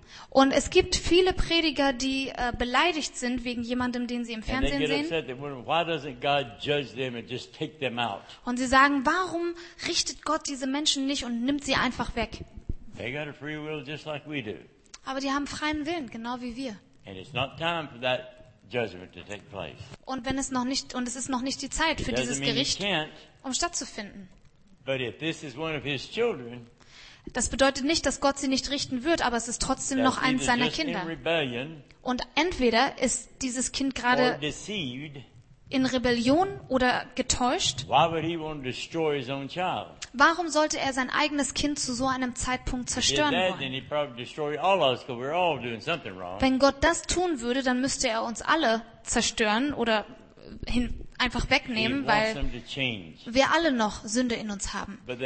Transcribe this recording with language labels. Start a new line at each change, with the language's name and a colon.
German: Und es gibt viele Prediger, die beleidigt sind wegen jemandem, den sie im Fernsehen sehen. Und sie sagen, warum richtet Gott diese Menschen nicht und nimmt sie einfach weg? Aber die haben freien Willen, genau wie wir.
English: And it's not time for that judgment to take place.
German: Und wenn es noch nicht und es ist noch nicht die Zeit für dieses Gericht, um stattzufinden.
English: But if this is one of his children,
German: das bedeutet nicht, dass Gott sie nicht richten wird, aber es ist trotzdem noch eins seiner Kinder. Und entweder ist dieses Kind gerade in Rebellion oder getäuscht.
English: Why would he want to destroy his own child?
German: Warum sollte er sein eigenes Kind zu so einem Zeitpunkt zerstören wollen? Wenn Gott das tun würde, dann müsste er uns alle zerstören oder einfach wegnehmen, weil wir alle noch Sünde in uns haben.